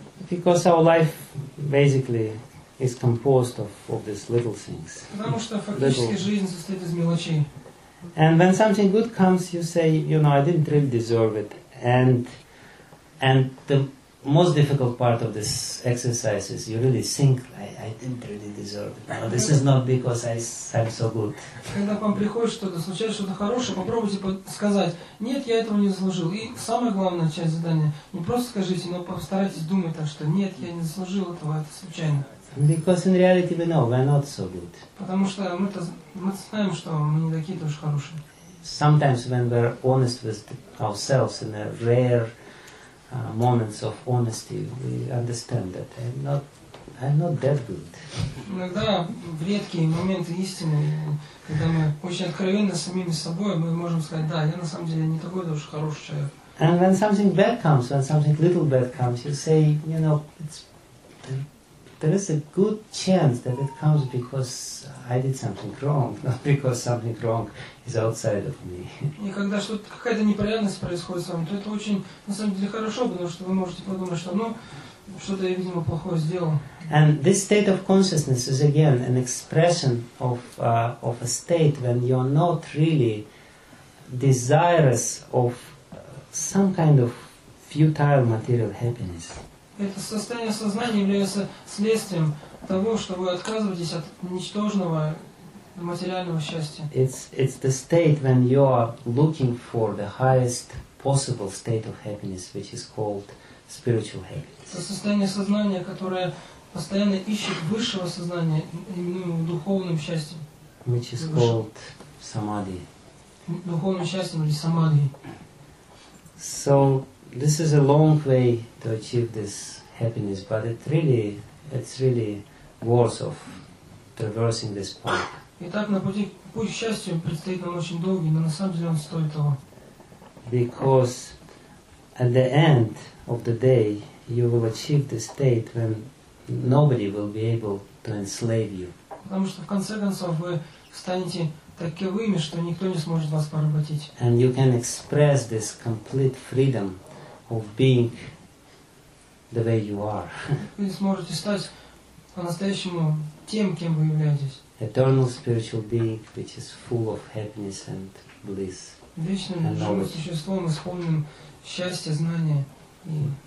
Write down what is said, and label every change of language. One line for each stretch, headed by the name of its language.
English: Because our life basically is composed of all these little things.
Russian: Потому что фактически жизнь состоит из мелочей.
English: And when something good comes, you say, you know, I didn't really deserve it. And the most difficult part of this exercise is you really think, I didn't really deserve it. No, this is not because I'm so good.
Russian: Когда к вам приходит что-то, случается что-то хорошее, попробуйте сказать, нет, я этого не заслужил. И самая главная часть задания, не просто скажите, но постарайтесь думать так, что нет, я не заслужил этого, это случайно.
English: Because in reality we know we're not so good.
Russian: Потому что мы знаем, что мы не такие тоже хорошие.
English: Sometimes when we're honest with ourselves in the rare moments of honesty, we understand that I'm not that good.
Russian: Иногда в редкие моменты истины, когда мы очень откровенно с самими собой, мы можем сказать, да, я на самом деле не такой тоже хороший человек.
English: And when something bad comes, when something little bad comes, you say, you know, there is a good chance that it comes because I did something wrong, not because something wrong is outside of me.
Russian: И когда что-то какая-то неприятность происходит с вами, то это очень на самом деле хорошо, потому что вы можете подумать, что ну что-то я видимо плохое сделал.
English: And this state of consciousness is again an expression of a state when you're not really desirous of some kind of futile material happiness.
Russian: Это состояние сознания является следствием того, что вы отказываетесь от ничтожного материального счастья.
English: It's the state when you are looking for the highest possible state of happiness, which is called spiritual happiness.
Russian: Это состояние сознания, которое постоянно ищет высшего сознания, именуемого духовным счастьем.
English: Which is called samadhi.
Russian: Духовным счастьем или самадхи.
English: So this is a long way to achieve this happiness, but it's really worth of traversing this path.
Russian: Итак, на пути к счастью предстоит нам очень долгий, но на самом деле он стоит того.
English: Because at the end of the day, you will achieve the state when nobody will be able to enslave you.
Russian: Потому что в конце концов вы станете таковыми, что никто не сможет вас поработить.
English: And you can express this complete freedom of being the way you are.
Russian: Вы сможете стать по-настоящему тем, кем вы являетесь.
English: Eternal spiritual being, which is full of happiness and bliss.
Russian: Вечным живым существом, исполненным счастья, знания и